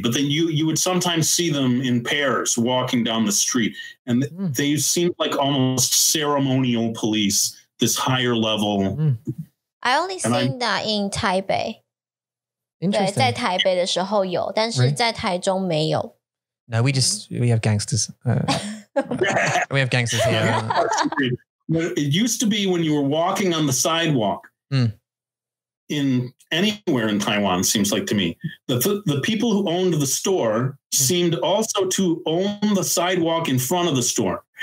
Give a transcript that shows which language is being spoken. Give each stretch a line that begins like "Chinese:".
English: But then you would sometimes see them in pairs walking down the street. And they seemed like almost ceremonial police, this higher level. I only seen that in Taipei. Interesting.
Chinese: 在台北的时候有,但是在台中没有.
English: Really? No, we have gangsters. We have gangsters here. It used to be when you were walking on the sidewalk. In anywhere in Taiwan, seems like to me, the people who owned the store seemed also to own the sidewalk in front of the store.